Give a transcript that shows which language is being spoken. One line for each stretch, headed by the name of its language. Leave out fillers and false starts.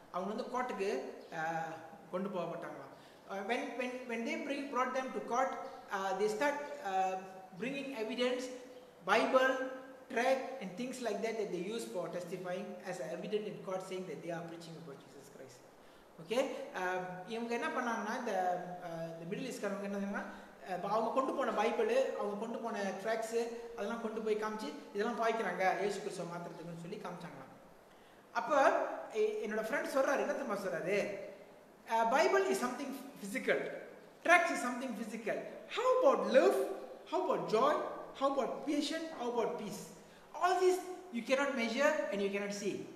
Tamil: அவங்க வந்து கோர்ட்டுக்கு கொண்டு போகப்பட்டாங்களாம்.
English: When they brought them to court, they start bringing evidence, Bible, track and things like that they use for testifying as evident in court, saying that they are preaching about Jesus Christ. Okay?
Tamil: இவங்க என்ன பண்ணாங்கன்னா, இந்த middle ஈஸ்ட்காரவங்க என்ன சொன்னால், இப்போ அவங்க கொண்டு போன பைபிளு, அவங்க கொண்டு போன ட்ராக்ஸு, அதெல்லாம் கொண்டு போய் காமிச்சு இதெல்லாம் பாய்க்கிறாங்க இயேசு கிறிஸ்துவ மாத்திரத்துக்குன்னு சொல்லி காமிச்சாங்களாம். அப்போ என்னோடய ஃப்ரெண்ட் சொல்கிறார், என்ன தம்மா சொல்கிறாரு,
English: Bible is something physical, drugs is something physical, how about love, how about joy, how about passion, how about peace, all this you cannot measure and you cannot see.